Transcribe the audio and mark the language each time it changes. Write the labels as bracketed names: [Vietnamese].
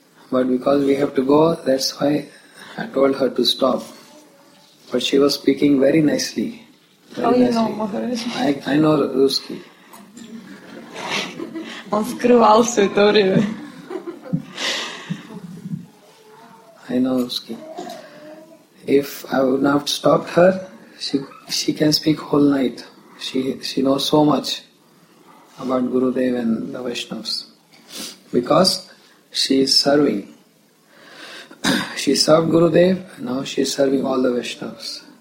[English] But because we have to go, that's why I told her to stop. But she was speaking very nicely. I know Ruski. [Russian] Он скрывал все это время. [English] I know Ruski. If I would not stop her, she can speak whole night. She knows so much about Gurudev and the Vaishnavas. Because she is serving. She served Gurudev, now she is serving all the Vaishnavas.